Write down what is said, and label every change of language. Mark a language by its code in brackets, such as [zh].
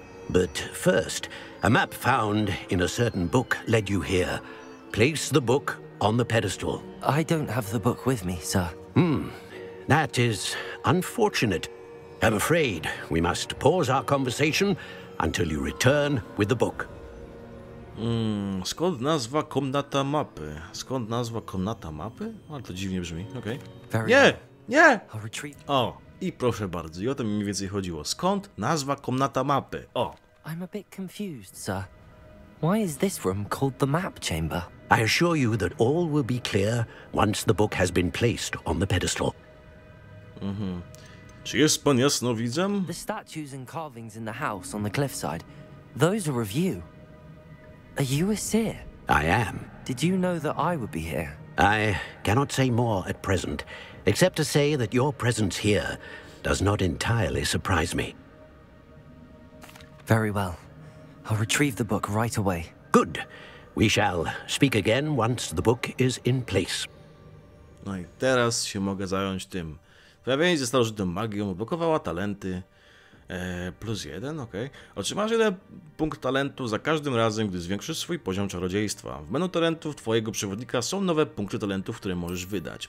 [en] But first, a map found in a certain book led you here. Place the book on the pedestal. I don't have the book with me, sir. That is unfortunate. I'm afraid we must pause our conversation until you return with the book. [pl] Skąd nazwa komnata mapy? Skąd nazwa komnata mapy? Ale to dziwnie brzmi, okej. Okay. Nie! Nie! O, i proszę bardzo, i o to mi mniej więcej chodziło. Skąd nazwa komnata mapy? O! [en] I'm a bit confused, sir. Why is this room called the map chamber? I assure you that all will be clear once the book has been placed on the pedestal. [pl] Czy jest pan jasnowidzem? [en] The statues and carvings in the house on the cliffside, those are of you. Are you a seer? I am. Did you know that I would be here? I cannot say more at present, except to say that your presence here does not entirely surprise me. Very well. I'll retrieve the book right away. Good. We shall speak again once the book is in place. [pl] No i teraz się mogę zająć tym. Wyjawienie ze starożytną magią odblokowała talenty. Plus jeden, okej. Okay. Otrzymasz jeden punkt talentu za każdym razem, gdy zwiększysz swój poziom czarodziejstwa. W menu talentów twojego przewodnika są nowe punkty talentów, które możesz wydać.